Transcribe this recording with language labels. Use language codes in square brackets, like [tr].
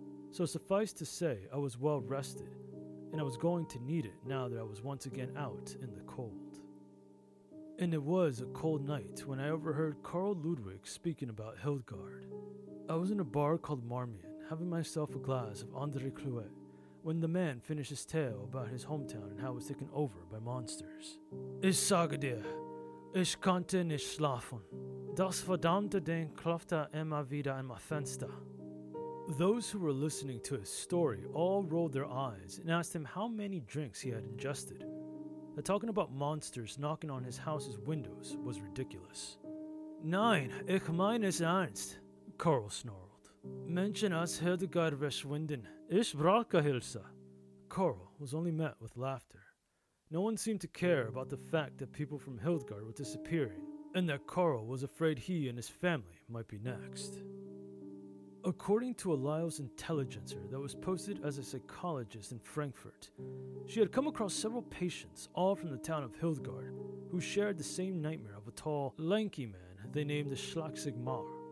[en] So suffice to say, I was well rested, and I was going to need it now that I was once again out in the cold. And it was a cold night when I overheard Carl Ludwig speaking about Hildegard. I was in a bar called Marmion, having myself a glass of André Clouet, when the man finished his tale about his hometown and how it was taken over by monsters. [de] Ich sage dir, ich konnte nicht schlafen. Das verdammte Ding klopfte immer wieder an mein Fenster. [en] Those who were listening to his story all rolled their eyes and asked him how many drinks he had ingested. That talking about monsters knocking on his house's windows was ridiculous. [de] Nein, ich meine es ernst, [en] Carl snarled. [de] Mention us Hildegard Verschwinden. Ich brauche Hilfe. [en] Carl was only met with laughter. No one seemed to care about the fact that people from Hildegard were disappearing, and that Carl was afraid he and his family might be next. According to a Lyle's intelligencer that was posted as a psychologist in Frankfurt, she had come across several patients, all from the town of Hildegard, who shared the same nightmare of a tall, lanky man they named the Schlagsigmar.